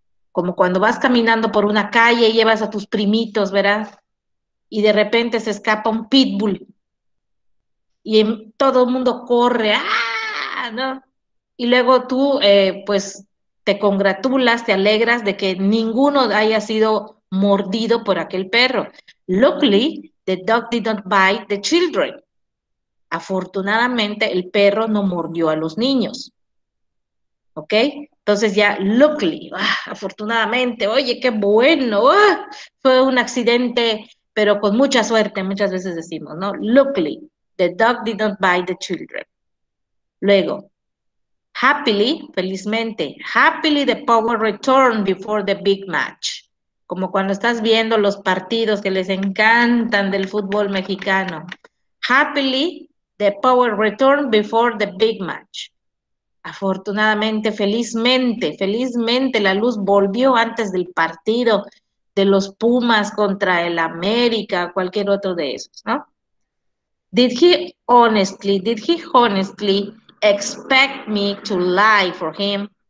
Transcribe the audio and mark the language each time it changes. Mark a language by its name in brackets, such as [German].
[Spanish] Como cuando vas caminando por una calle y llevas a tus primitos, ¿verdad? Y de repente se escapa un pitbull. Y todo el mundo corre, ¡ah!, ¿no? Y luego tú, pues, te congratulas, te alegras de que ninguno haya sido mordido por aquel perro. [English] Luckily, the dog did not bite the children. [Spanish] Afortunadamente, el perro no mordió a los niños. ¿Ok? Entonces ya, luckily, afortunadamente, oye, qué bueno, fue un accidente, pero con mucha suerte, muchas veces decimos, ¿no? [English] Luckily, the dog did not bite the children. Luego, happily, felizmente, happily the power returned before the big match. [Spanish] Como cuando estás viendo los partidos que les encantan del fútbol mexicano. [English] Happily, the power returned before the big match. [Spanish] Afortunadamente, felizmente, felizmente la luz volvió antes del partido de los Pumas contra el América, cualquier otro de esos, ¿no? [English] Did he honestly expect me to lie for him?